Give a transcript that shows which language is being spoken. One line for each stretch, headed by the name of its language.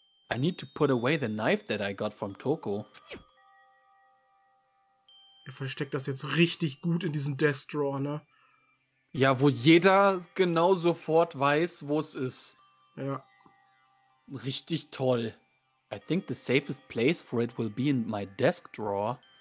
English: I need to put away the knife that I got from Toko.
German: Er versteckt das jetzt richtig gut in diesem Desk Drawer, ne? Ja, wo jeder genau sofort weiß, wo es ist. Ja. Richtig toll.
English: I think the safest place for it will be in my desk drawer.